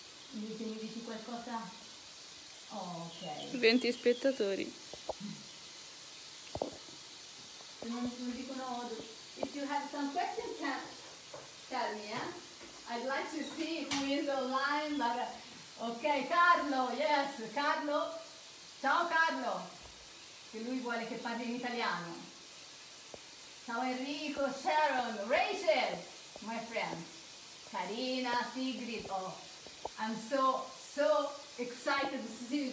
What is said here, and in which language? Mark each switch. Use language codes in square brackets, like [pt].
[it] Mi dici qualcosa? Ok. 20 spettatori. Se non mi dicono oggi. [en] If you have some questions, tell me, eh? I'd like to see who is online, but okay, Carlo, yes, Carlo. [it] Ciao Carlo, che lui vuole che parli in italiano. [en] Ciao Enrico, Sharon, Rachel, my friend. Karina, Sigrid, oh, I'm so excited to see you.